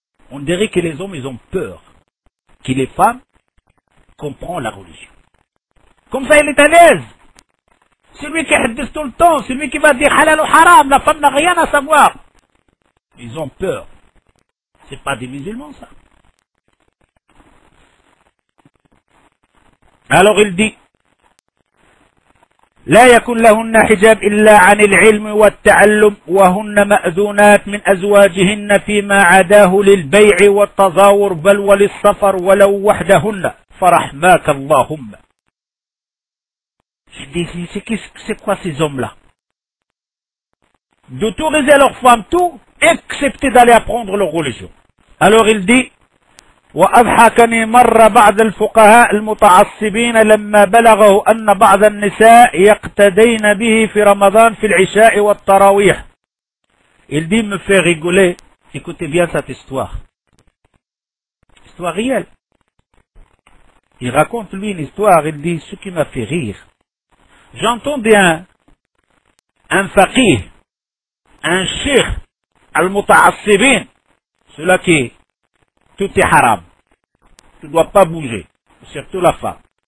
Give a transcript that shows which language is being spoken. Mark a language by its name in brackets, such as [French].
[French] On dirait que les hommes, ils ont peur que les femmes comprennent la religion. Comme ça, il est à l'aise. Celui qui hadith tout le temps, celui qui va dire halal ou haram, la femme n'a rien à savoir. Ils ont peur. C'est pas des musulmans, ça. Alors il dit, [Arabic] لا يكون لهن حجاب إلا عن العلم والتعلم وهن مأذونات من أزواجهن فيما عداه للبيع والتظاور بل وللسفر ولو وحدهن فرحماك اللهم. [French] Je dis, c'est quoi ces hommes-là? D'autoriser leurs femmes tout, excepté d'aller apprendre leur religion. Alors il dit, [Arabic] وأضحكني مرة بعض الفقهاء المتعصبين لما بلغه أن بعض النساء يقتدين به في رمضان في العشاء والتراويح. [French] Il dit, me fait rigoler. Écoutez bien cette histoire. Histoire réelle. Il raconte lui une histoire. Il dit, ce qui m'a fait rire. J'entendais un faqih, un sheikh al-muta'assibin, celui-là qui tout est haram. Tu ne dois pas bouger. Surtout la femme.